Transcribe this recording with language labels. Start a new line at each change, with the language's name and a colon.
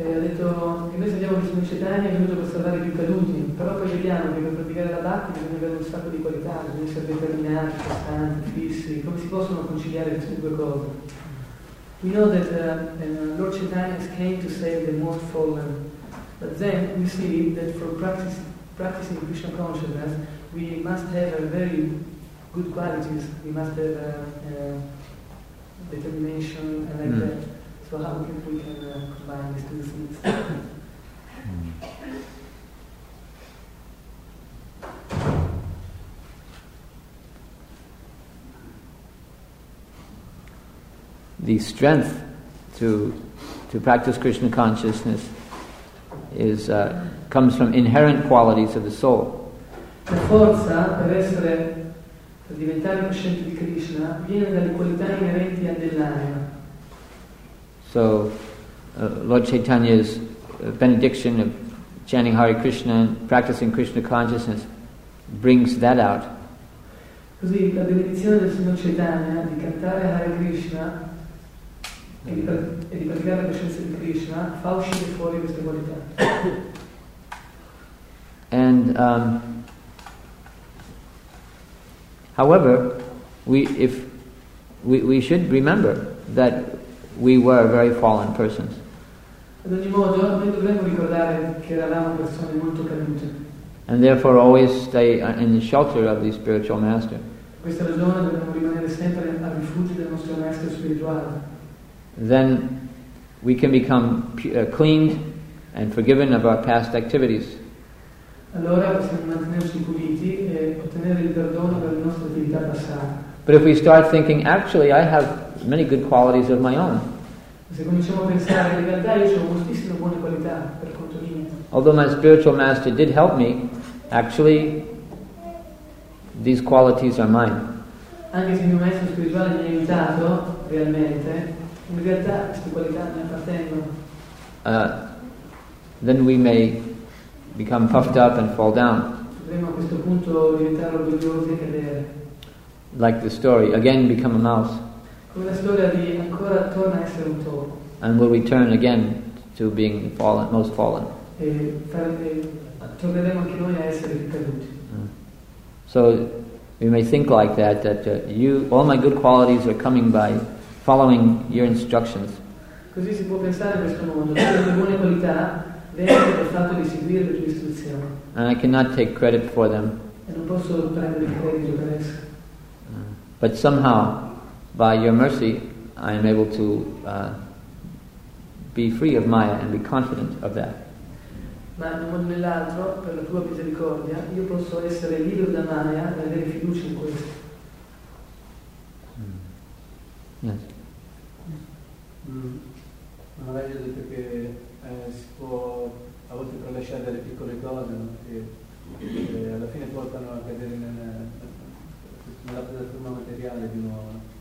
Italian: Ha detto che noi sappiamo che sono cetani, è venuto per salvare i più caduti, però poi vediamo che per praticare la Bhakti bisogna avere un sacco di qualità, bisogna essere determinati, costanti, fissi. Come si possono conciliare queste due cose?
English: We know that Lord Chaitanya came to save the most fallen, but then we see that for practicing Krishna consciousness, we must have a very good qualities. We must have determination and like that. So how can we combine these two things? The strength to practice Krishna consciousness comes from inherent qualities of the soul.
Italian: La forza per essere per diventare cosciente di Krishna viene dalle qualità inerenti a dell'anima.
English: So Lord Chaitanya's benediction of chanting Hare Krishna and practicing Krishna consciousness brings that out.
Italian: Così la benedizione del Signor Chaitanya di cantare Hare Krishna e di praticare la coscienza di Krishna fa uscire fuori queste qualità.
English: And however, we should remember that we were very fallen persons.
Italian: Ad ogni modo, noi dovremmo ricordare che eravamo persone molto cadute.
English: And therefore always stay in the shelter of the spiritual master.
Italian: Per questa ragione dobbiamo rimanere sempre al rifugio del nostro maestro spirituale.
English: Then we can become cleaned and forgiven of our past activities.
Italian: Allora possiamo mantenerci puliti e ottenere il perdono per le nostre attività passate.
English: But if we start thinking, actually, I have many good qualities of my own.
Italian: Se cominciamo a pensare, in realtà io ho moltissime buone qualità per conto mio.
English: Although my spiritual master did help me, actually, these qualities are mine.
Italian: Anche se il mio maestro spirituale mi ha aiutato, realmente, in realtà queste qualità mi appartengono.
English: Then we may become puffed up and fall down.
Italian: Potremmo a questo punto diventare orgogliosi e cadere.
English: Like the story, again become a mouse.
Italian: Come la storia di ancora torna a essere un topo.
English: And we'll return again to being fallen, most fallen.
Italian: Torneremo anche noi a essere caduti.
English: So you may think like that, that you, all my good qualities are coming by following your instructions.
Italian: Così si può pensare in questo modo, tutte le buone qualità vengono dal fatto di seguire le tue istruzioni.
English: And I cannot take credit for them.
Italian: E non posso prendere credito per esse.
English: But somehow, by your mercy, I am able to be free of Maya and be confident of that.
Italian: Ma in un modo o nell'altro, per la tua misericordia, io posso essere libero da Maya e avere fiducia in questo.
English: Yes.
Italian: Ma lei ha detto che si può a volte tralasciare delle piccole cose che alla fine portano a cadere nella piattaforma materiale di nuovo.